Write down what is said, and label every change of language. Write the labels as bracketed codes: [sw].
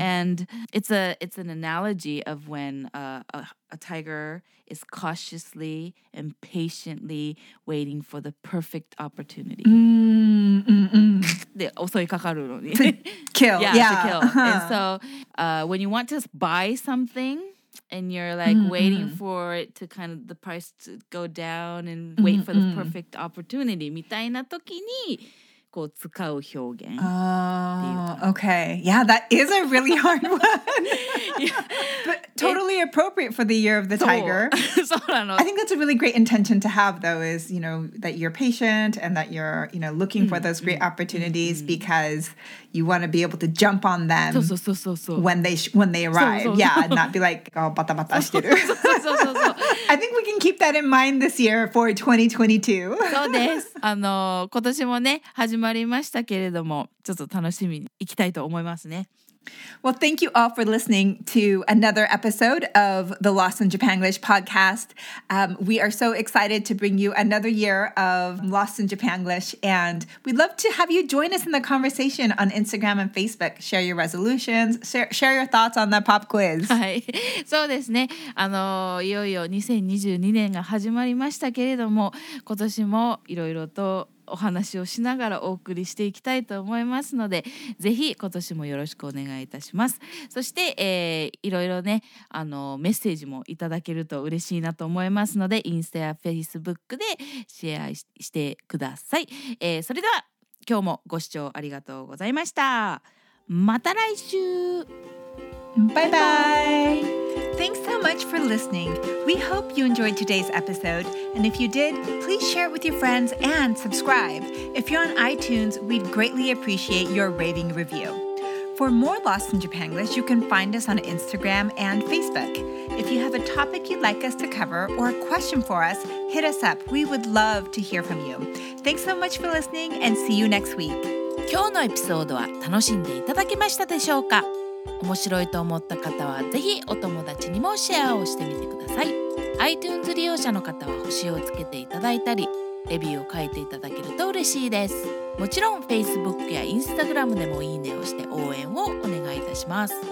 [en] And it's an analogy of when a tiger is cautiously and patiently waiting for the perfect opportunity. Mm, mm, mm. To kill. Yeah, yeah. To kill. Uh-huh. And so when you want to buy something, and you're like mm-hmm. waiting for it to kind of the price to go down and mm-hmm. wait for the perfect opportunity. [ja] みたいな時にこう使う表現。 [en] Oh, okay. Yeah, that is a really hard one. But totally appropriate for the year of the tiger. [ja] そうなの。 [en] I think that's a really great intention to have though is, you know, that you're patient and that you're, you know, looking for those great opportunities mm-hmm. because you want to be able to jump on them [ja] そうそうそうそうそう [en] when they arrive. [ja] そうそうそう [en] yeah, and not be like, oh, [ja] バタバタしてる。そうそうそうそう。 [en] I think we can keep that in mind this year for 2022. [ja] そうです。今年もね、始まりましたけれども、ちょっと楽しみに行きたいと思いますね。 [en] Well, thank you all for listening to another episode of the Lost in Japanglish podcast. We are so excited to bring you another year of Lost in Japanglish, and we'd love to have you join us in the conversation on Instagram and Facebook. Share your resolutions, share your thoughts on the pop quiz. [ja] はい、そうですね。いよいよ2022年が始まりましたけれども、今年もいろいろとお話をしながらお送りしていきたいと思いますのでぜひ今年もよろしくお願いいたします。そして、いろいろねメッセージもいただけると嬉しいなと思いますのでインスタやフェイスブックでシェア してください。それでは今日もご視聴ありがとうございました。また来週。バイバイ。 [en] Thanks so much for listening. We hope you enjoyed today's episode. And if you did, please share it with your friends and subscribe. If you're on iTunes, we'd greatly appreciate your rating review. For more Lost in Japanglish, you can find us on Instagram and Facebook. If you have a topic you'd like us to cover or a question for us, hit us up. We would love to hear from you. Thanks so much for listening and see you next week. [ja] 今日のエピソードは楽しんでいただけましたでしょうか?面白いと思った方はぜひお友達にもシェアをしてみてください。 iTunes 利用者の方は星をつけていただいたりレビューを書いていただけると嬉しいです。もちろん Facebook や Instagram でもいいねをして応援をお願いいたします。